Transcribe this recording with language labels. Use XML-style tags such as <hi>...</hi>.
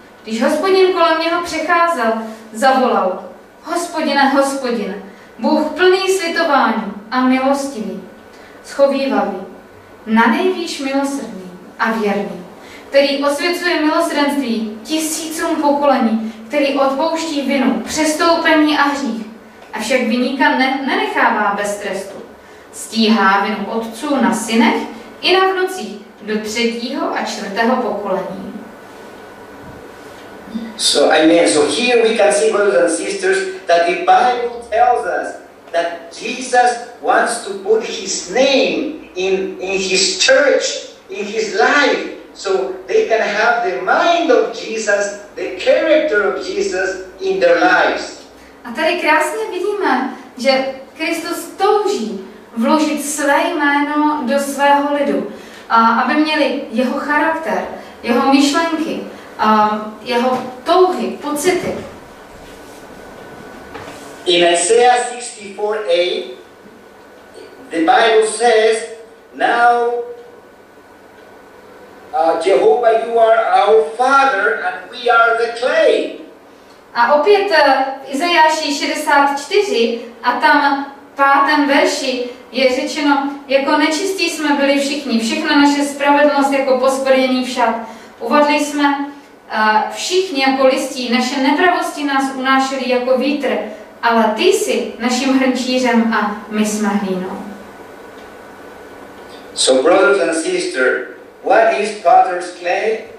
<cs>Když Hospodin kolem něho přecházel, zavolal, Hospodine, Hospodine, Bůh plný slitování a milostivý, schovývavý, nanejvýš milosrdný a věrný, který osvěcuje milosrdenství tisícům pokolení, který odpouští vinu, přestoupení a hřích, avšak viníka nenechává bez trestu. Stíhá vinu otců na synech i na vnucích do třetího a čtvrtého pokolení.</cs> <en>So here we can see, brothers and sisters, that the Bible tells us that Jesus wants to put his name in his church, in his life, so they can have the mind of Jesus, the character of Jesus in their lives.</en> <cs>A tady krásně vidíme, že Kristus touží vložit své jméno do svého lidu, aby měli jeho charakter, jeho myšlenky, jeho touhy, pocity.</cs> <en>In Isaiah 64:8, the Bible says, now, Jehovah, you are our father, and we are the clay.</en> <cs>A opět v Izajáši 64, a tam pátém verši je řečeno, jako nečistí jsme byli všichni, všechna naše spravedlnost jako posprnění všad. Uvadli jsme všichni jako listí, naše nepravosti nás unášely jako vítr, ale ty jsi naším hrnčířem a my jsme hlínou.</cs> <en>So brothers and sisters, what is potter's clay?</en>